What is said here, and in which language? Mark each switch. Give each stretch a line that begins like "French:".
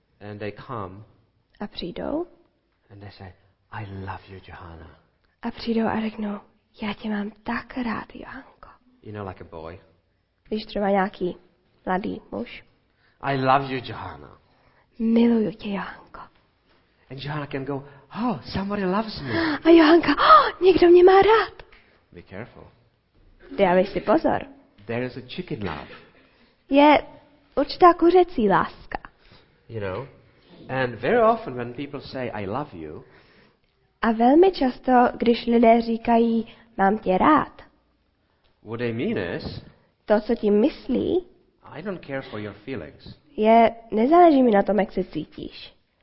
English: And they come.
Czech: A přijdou.
English: And they say, I love you, Johanna.
Czech: A přijdou a řeknou, já tě mám tak rád, Johanko.
English: You know, like a boy.
Czech: Víš, třeba nějaký mladý muž.
English: I love you, Johanna.
Czech: Miluju tě, Johanko.
English: And Johanna can go, oh, somebody loves me.
Czech: A Johanka, oh, někdo mě má rád.
English: Be careful.
Czech: Dávej si pozor.
English: There is a chicken love.
Czech: Je určitá kuřecí láska.
English: You know? And very often when people say I love you.
Czech: A velmi často, když lidé říkají mám tě rád.
English: What they mean is.
Czech: To, co tím myslí.
English: I don't care for your feelings.
Czech: Je nezáleží mi na tom, jak se cítíš.